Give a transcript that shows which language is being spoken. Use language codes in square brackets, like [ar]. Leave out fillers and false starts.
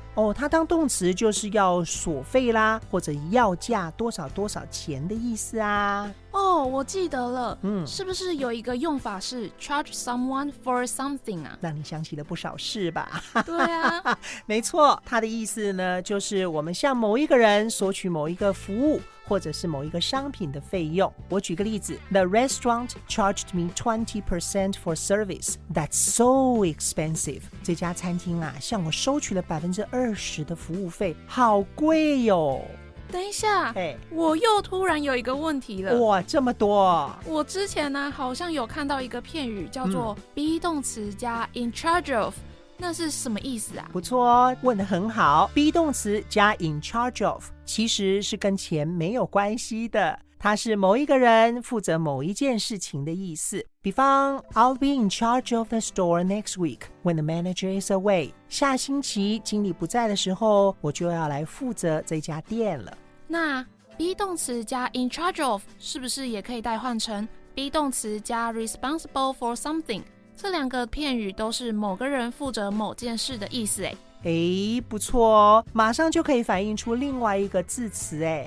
[zh] 哦，它当动词就是要索费啦，或者要价多少多少钱的意思啊。哦，我记得了，是不是有一个用法是 [en] charge someone for something [zh] 啊？让你想起了不少事吧。对啊，没错，它的意思呢，就是我们向某一个人索取某一个服务或者是某一个商品的费用。 [en] 我举个例子， The restaurant charged me 20% for service. That's so expensive. [zh] 这家餐厅啊，向我收取了20%的服务费，好贵哟。等一下，我又突然有一个问题了。哇，这么多。我之前呢，好像有看到一个片语叫做 be 动词加 in charge of，那是什么意思啊？不错哦，问得很好。 be 动词加 in charge of 其实是跟钱没有关系的，它是某一个人负责某一件事情的意思。比方 [en] I'll be in charge of the store next week when the manager is away， [zh] 下星期经理不在的时候，我就要来负责这家店了。那 be 动词加 in charge of 是不是也可以代换成 be 动词加 responsible for something？这两个片语都是某个人负责某件事的意思。不错哦，马上就可以反映出另外一个字词。